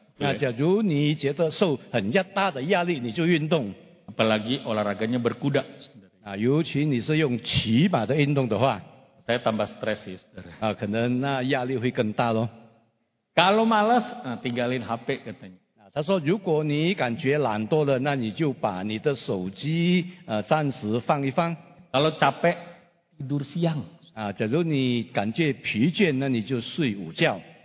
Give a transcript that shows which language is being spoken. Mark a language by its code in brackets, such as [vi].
[id] Nah, jadi, [zh] ni觉得受很大的压力，你就运动. [id] Apalagi olahraganya berkuda. [zh] Nah, 尤其你是用骑马的运动的话, [id] saya tambah stres sih, saudara. [zh] Ah, 可能那压力会更大咯. [id] Kalau malas, nah, tinggalin HP katanya. [zh] Nah, 他说，如果你感觉懒惰了，那你就把你的手机暂时放一放. [id] Kalau capek, tidur siang. [zh] Ah, 假如你感觉疲倦，那你就睡午觉.